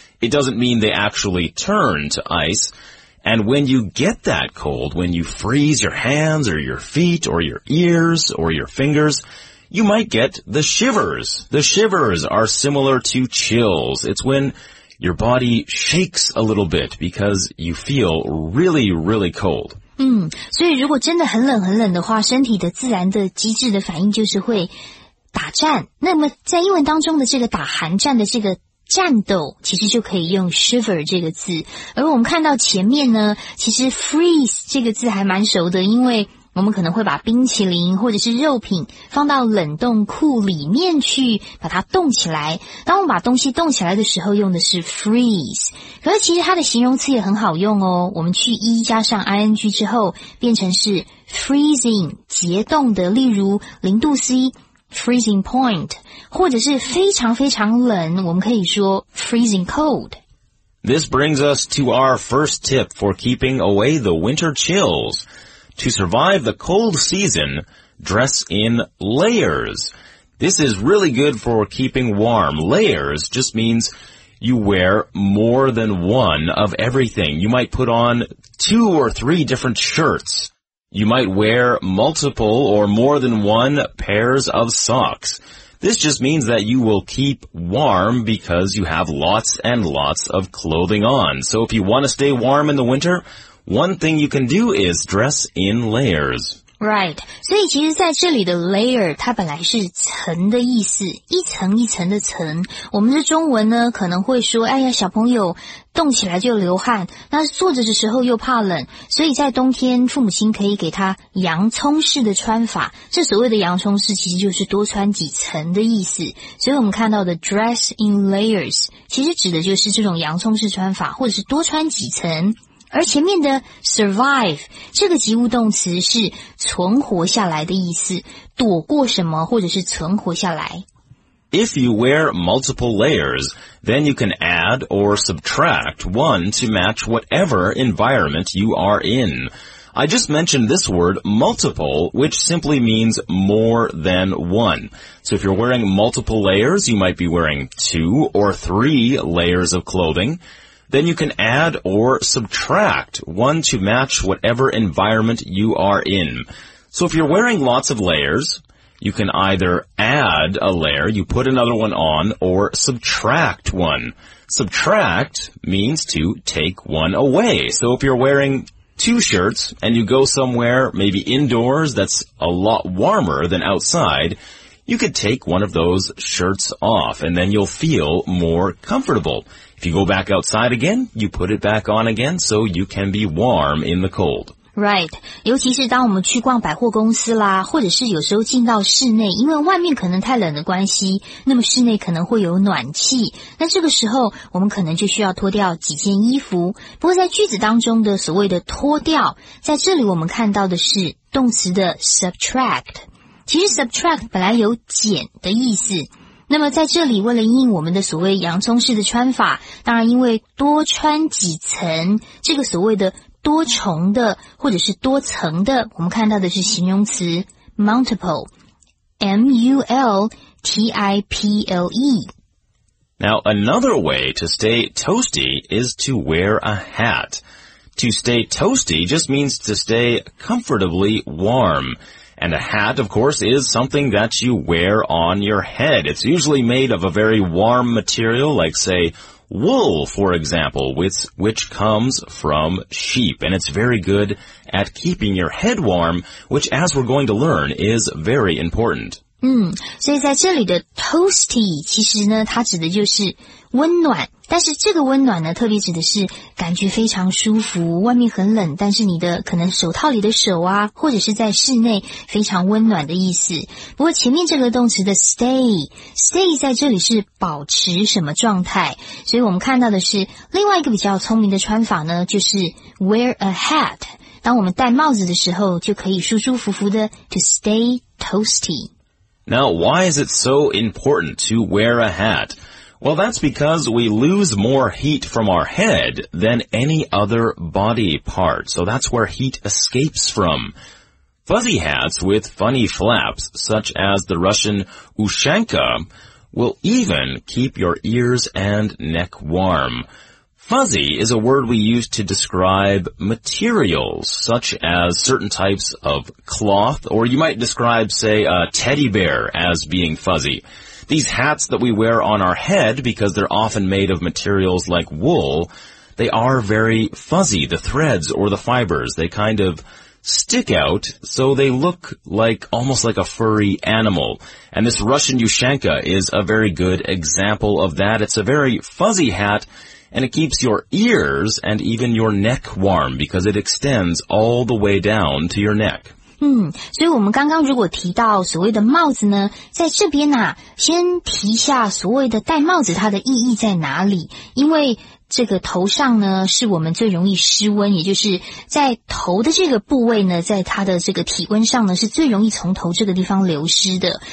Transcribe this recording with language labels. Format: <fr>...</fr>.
<en>It doesn't mean they actually turn to ice. And when you get that cold, when you freeze your hands or your feet or your ears or your fingers, you might get the shivers. The shivers are similar to chills. It's when your body shakes a little bit because you feel really, really cold.</en> <zh>所以如果真的很冷很冷的话，身体的自然的机制的反应就是会打颤。那么在英文当中的这个打寒战的这个战斗，其实就可以用 shiver 这个字。而我们看到前面呢，其实 freeze 这个字还蛮熟的，因为我们可能会把冰淇淋或者是肉品放到冷冻库里面去把它冻起来。当我们把东西冻起来的时候用的是 freeze。可是其实它的形容词也很好用哦，我们去 e 加上 ing 之后变成是 freezing, 结冻的，例如零度 C,</zh> <en>freezing point,</en> <zh>或者是非常非常冷，我们可以说</zh> <en>freezing cold。 This brings us to our first tip for keeping away the winter chills. To survive the cold season, dress in layers. This is really good for keeping warm. Layers just means you wear more than one of everything. You might put on two or three different shirts. You might wear multiple or more than one pairs of socks. This just means that you will keep warm because you have lots and lots of clothing on. So if you want to stay warm in the winter,One thing you can do is dress in layers. Right.</en> <zh>所以其实在这里的 layer, 它本来是层的意思。一层一层的层。我们的中文呢可能会说哎呀小朋友动起来就流汗。那坐着的时候又怕冷。所以在冬天父母亲可以给他洋葱式的穿法。这所谓的洋葱式其实就是多穿几层的意思。所以我们看到的</zh> <en>dress in layers,</en> <zh>其实指的就是这种洋葱式穿法或者是多穿几层。而前面的 survive, 这个及物动词是存活下来的意思,躲过什么或者是存活下来。</zh> <en>If you wear multiple layers, then you can add or subtract one to match whatever environment you are in. I just mentioned this word multiple, which simply means more than one. So if you're wearing multiple layers, you might be wearing two or three layers of clothing. Then you can add or subtract one to match whatever environment you are in. So if you're wearing lots of layers, you can either add a layer, you put another one on, or subtract one. Subtract means to take one away. So if you're wearing two shirts and you go somewhere, maybe indoors, that's a lot warmer than outside, you could take one of those shirts off and then you'll feel more comfortable. If you go back outside again, you put it back on again so you can be warm in the cold. Right.</en> <zh>尤其是当我们去逛百货公司啦，或者是有时候进到室内，因为外面可能太冷的关系，那么室内可能会有暖气。那这个时候我们可能就需要脱掉几件衣服。不过在句子当中的所谓的脱掉，在这里我们看到的是动词的 subtract。其实 subtract 本来有减的意思。那么在这里为了因应我们的所谓洋葱式的穿法，当然因为多穿几层，这个所谓的多重的或者是多层的，我们看到的是形容词 multiple, M-U-L-T-I-P-L-E.</zh> <en>Now another way to stay toasty is to wear a hat. To stay toasty just means to stay comfortably warm. And a hat, of course, is something that you wear on your head. It's usually made of a very warm material, like, say, wool, for example, which comes from sheep. And it's very good at keeping your head warm, which, as we're going to learn, is very important.</en> <zh>所以在这里的 toasty, 其实呢它指的就是温暖。但是这个温暖呢特别指的是感觉非常舒服，外面很冷，但是你的可能手套里的手啊或者是在室内非常温暖的意思。不过前面这个动词的 stay 在这里是保持什么状态，所以我们看到的是另外一个比较聪明的穿法呢，就是</zh> <en>wear a hat。</en> <zh>当我们戴帽子的时候就可以舒舒服服的</zh> <en>to stay toasty。 Now why is it so important to wear a hat? Well, that's because we lose more heat from our head than any other body part. So that's where heat escapes from. Fuzzy hats with funny flaps, such as the Russian Ushanka, will even keep your ears and neck warm. Fuzzy is a word we use to describe materials, such as certain types of cloth, or you might describe, say, a teddy bear as being fuzzy. These hats that we wear on our head, because they're often made of materials like wool, they are very fuzzy. The threads or the fibers, they kind of stick out, so they look like almost like a furry animal. And this Russian Yushanka is a very good example of that. It's a very fuzzy hat, and it keeps your ears and even your neck warm because it extends all the way down to your neck.</en> <zh>所以我们刚刚如果提到所谓的帽子呢，在这边啊，先提一下所谓的戴帽子它的意义在哪里，因为这个头上呢是我们最容易失温，也就是在头的这个部位呢，在它的这个体温上呢是最容易从头这个地方流失的。</zh>